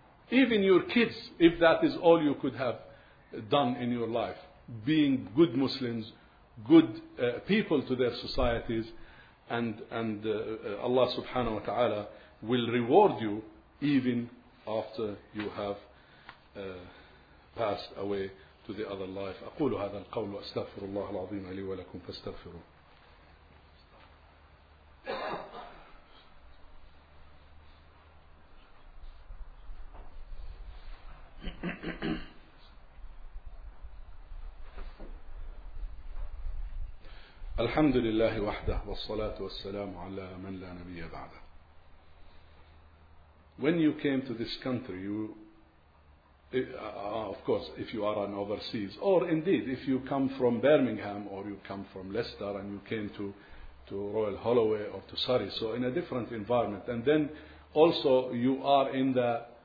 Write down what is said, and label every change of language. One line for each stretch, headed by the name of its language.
English: Even your kids, if that is all you could have done in your life, being good Muslims, good people to their societies, and Allah subhanahu wa ta'ala will reward you even after you have passed away to the other life.
Arabic: أقول هذا القول وأستغفر الله العظيم لي ولكم فاستغفروه. الحمد لله وحده والصلاة والسلام على من لا نبي بعده.
English: When you came to this country, you, of course, if you are an overseas, or indeed if you come from Birmingham or you come from Leicester and you came to Royal Holloway or to Surrey, so in a different environment, and then also you are in the